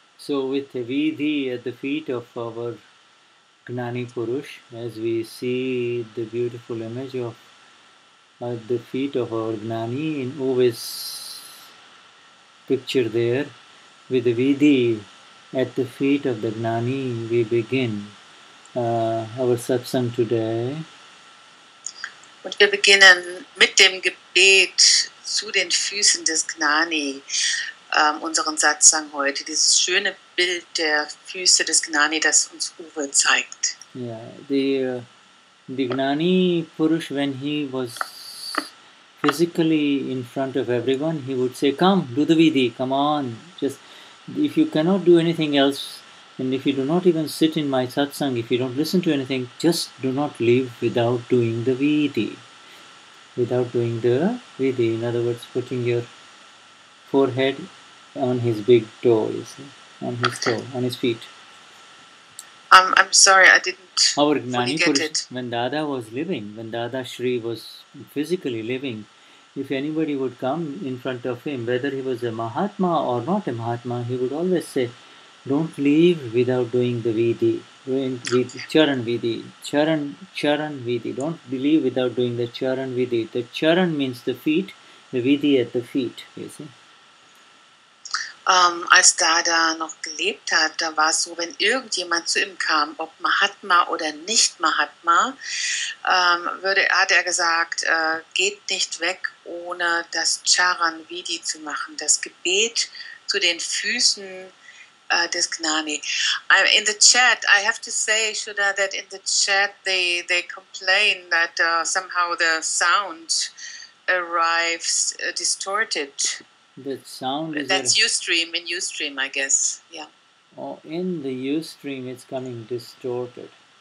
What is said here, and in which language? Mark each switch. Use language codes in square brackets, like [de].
[en] So with the vidhi at the feet of our Gnani Purush, as we see the beautiful image of at the feet of our Gnani in Uwe's picture there, with the Vidhi at the feet of the Gnani, we begin our satsang today. [de] Und wir beginnen mit dem Gebet zu den Füßen des Gnani, unseren Satsang heute, dieses schöne Bild der Füße des Gnani, das uns Uwe zeigt. [en] Yeah, the Gnani Purush, when he was physically in front of everyone, he would say, come, do the Vidhi, come on, just... If you cannot do anything else, and if you do not even sit in my satsang, if you don't listen to anything, just do not live without doing the Vidhi. without doing the vidhi. In other words, putting your forehead on his big toe, you see, on his toe, on his feet. I'm sorry, I didn't our Gnani fully get Purush, it. When Dada was living, when Dada Shri was physically living, if anybody would come in front of him, whether he was a Mahatma or not a Mahatma, he would always say, don't leave without doing the vidhi. Charan vidhi. Charan vidhi. Don't leave without doing the charan vidhi. The charan means the feet, the vidhi at the feet, you see. [de] Als Dada noch gelebt hat, da war es so, wenn irgendjemand zu ihm kam, ob Mahatma oder nicht Mahatma, hat er gesagt, geht nicht weg, ohne das Charan Vidhi zu machen, das Gebet zu den Füßen des Gnani. [en] In the chat, I have to say, Shuddha, that in the chat they complain that somehow the sound arrives distorted. That sound is that's Ustream, in Ustream, I guess, yeah. Oh, in the Ustream, it's coming distorted.